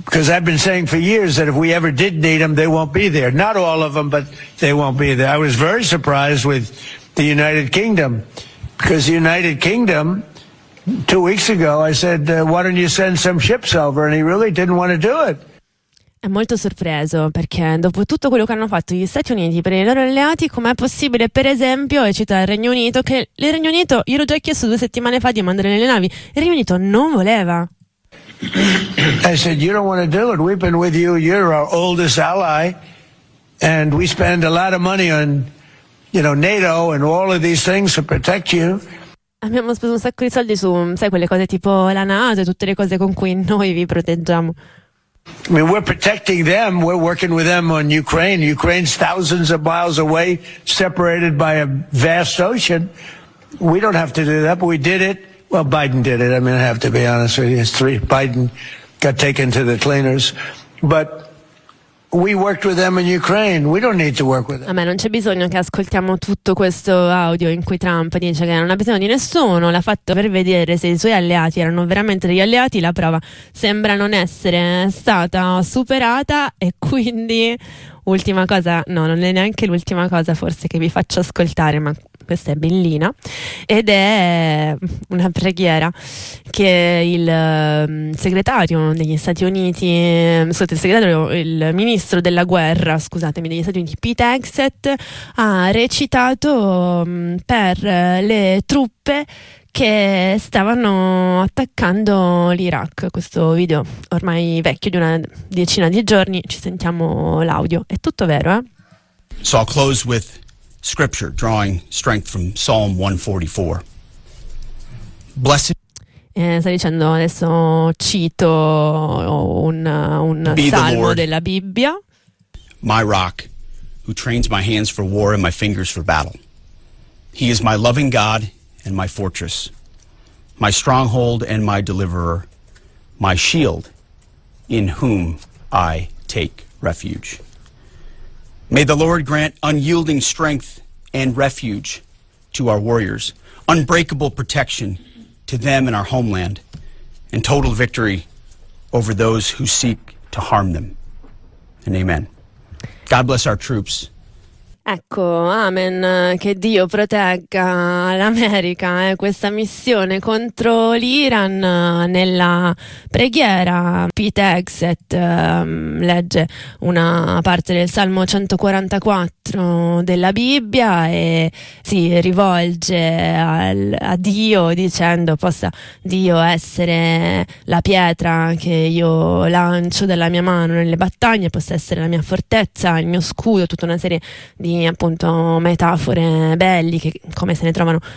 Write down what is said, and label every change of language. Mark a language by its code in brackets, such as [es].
[en] Because I've been saying for years that if we ever did need them, they won't be there. Not all of them, but they won't be there. I was very surprised with the United Kingdom, because the United Kingdom, 2 weeks ago, I said, why don't you send some ships over? And he really didn't want to do it. [it] È molto sorpreso, perché dopo tutto quello che hanno fatto gli Stati Uniti per i loro alleati, com'è possibile, per esempio, e cito il Regno Unito, che il Regno Unito, io l'ho già chiesto 2 settimane fa di mandare le navi, il Regno Unito non voleva. [en] I said, you don't want to do it, we've been with you, you're our oldest ally, and we spend a lot of money on, you know, NATO and all of these things to protect you. [it] Abbiamo speso un sacco di soldi su, sai, quelle cose tipo la NATO e tutte le cose con cui noi vi proteggiamo. [en] I mean, we're protecting them, we're working with them on Ukraine. Ukraine's thousands of miles away, separated by a vast ocean. We don't have to do that, but we did it. Well, Biden did it, I mean, I have to be honest with you. Biden got taken to the cleaners. But we worked with them in Ukraine, we don't need to work with them. [it] Vabbè, non c'è bisogno che ascoltiamo tutto questo audio in cui Trump dice che non ha bisogno di nessuno, l'ha fatto per vedere se i suoi alleati erano veramente degli alleati, la prova sembra non essere stata superata e quindi ultima cosa, no, non è neanche l'ultima cosa forse che vi faccio ascoltare, ma questa è bellina ed è una preghiera che il segretario degli Stati Uniti, scusate, il ministro della guerra, scusatemi, degli Stati Uniti, Pete Hegseth, ha recitato per le truppe che stavano attaccando l'Iraq. Questo video ormai vecchio di una decina di giorni, ci sentiamo l'audio, è tutto vero, eh? [en] So I'll close with scripture, drawing strength from Psalm 144. Blessed. [it] Sta dicendo adesso, cito un salmo della Bibbia. [en] My rock, who trains my hands for war and my fingers for battle. He is my loving God and my fortress, my stronghold and my deliverer, my shield, in whom I take refuge. May the Lord grant unyielding strength and refuge to our warriors, unbreakable protection to them in our homeland, and total victory over those who seek to harm them. And amen. God bless our troops. [it] Ecco, amen, che Dio protegga l'America, questa missione contro l'Iran. Nella preghiera Pete Hegseth legge una parte del Salmo 144 della Bibbia e si rivolge a Dio dicendo: possa Dio essere la pietra che io lancio dalla mia mano nelle battaglie, possa essere la mia fortezza, il mio scudo, tutta una serie di appunto metafore belli che, come se ne trovano